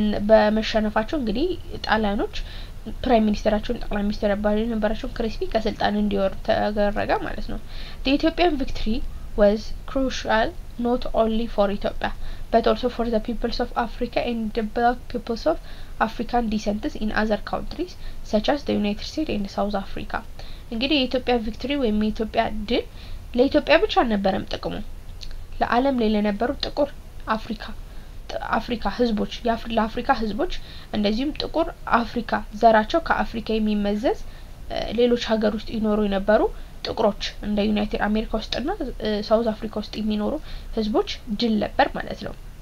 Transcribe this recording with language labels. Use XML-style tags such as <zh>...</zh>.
<am>በመሸነፋቸው እንግዲህ ጣሊያኖች ጠቅላይ ሚኒስትር የነበራቸውን ክሪስፒ ከስልጣን እንዲወርድ ተደረገ ማለት ነው።</am> <en>ኢትዮጵያን ቪክትሪ ወዝ ክሩሻል not only for Ethiopia, but also for the peoples of Africa and the black peoples of African descent in other countries, such as the United States and South Africa.</en> <am>እንግዲህ የኢትዮጵያ ቪክቶሪ ወይም የኢትዮጵያ ድል ለኢትዮጵያ ብቻ ነበርም ጥቅሙ ለዓለም ላይ ለነበሩ ጥቁር አፍሪካ ህዝቦች ለአፍሪካ ህዝቦች እንደዚሁም ጥቁር አፍሪካ ዘራቸው ከአፍሪካ የሚመዘዝ ሌሎች ሀገሮች ይኖሩ የነበሩ ጥቁሮች እንደ ዩናይትድ አሜሪካ ውስጥ እና ሳውዝ አፍሪካ ውስጥ የሚኖሩ ህዝቦች ድል ነበር ማለት ነው</am>